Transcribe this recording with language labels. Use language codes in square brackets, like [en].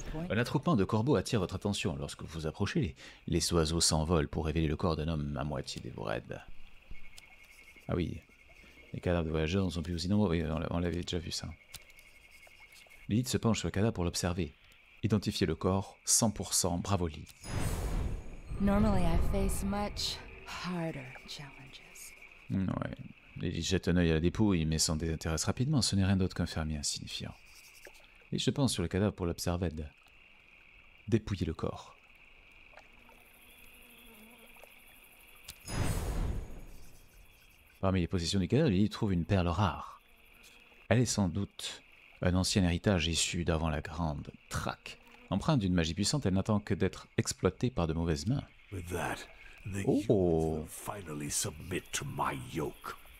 [fr] Un attroupement de corbeaux attire votre attention lorsque vous approchez. Les oiseaux s'envolent pour révéler le corps d'un homme à moitié dévoré. Ah oui, les cadavres de voyageurs ne sont plus aussi nombreux. Oui, on l'avait déjà vu ça. Lilith se penche sur le cadavre pour l'observer. Identifier le corps, 100%, bravo Lilith. [en] Normally I face much harder challenges. [fr] Ouais. Lilith jette un œil à la dépouille, mais s'en désintéresse rapidement. Ce n'est rien d'autre qu'un fermier insignifiant. Lilith se penche sur le cadavre pour l'observer. Dépouiller le corps. Parmi les possessions du cadavre, Lilith trouve une perle rare. Elle est sans doute un ancien héritage issu d'avant la grande traque. Empreinte d'une magie puissante, elle n'attend que d'être exploitée par de mauvaises mains. [en] With that, the humans will finally submit to my yoke.